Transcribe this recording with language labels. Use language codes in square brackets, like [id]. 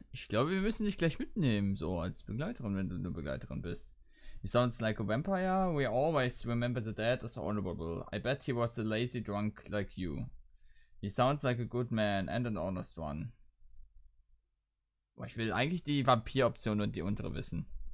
[de] Ich glaube, wir müssen dich gleich mitnehmen, so als Begleiterin, wenn du eine Begleiterin bist. [en] He sounds like a vampire. We always remember the dead as honorable. I bet he was a lazy drunk like you. He sounds like a good man and an honest one. [de] Aber ich will eigentlich die Vampir-Option und die untere wissen.